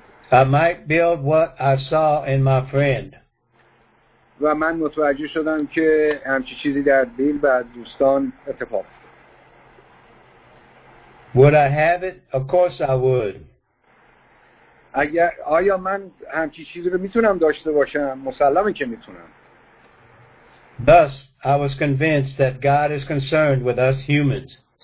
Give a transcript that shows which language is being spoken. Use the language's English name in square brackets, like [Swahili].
[English] I might build what I saw in my friend. [Persian] و من متوجه شدم که همچی چیزی در بیل و دوستان اتفاق افتاد. [English] Would I have it? Of course I would. [Persian] اگر آیا من همچی چیزی رو میتونم داشته باشم؟ مسلمه که میتونم. [English] Thus, I was convinced that God is concerned with us humans.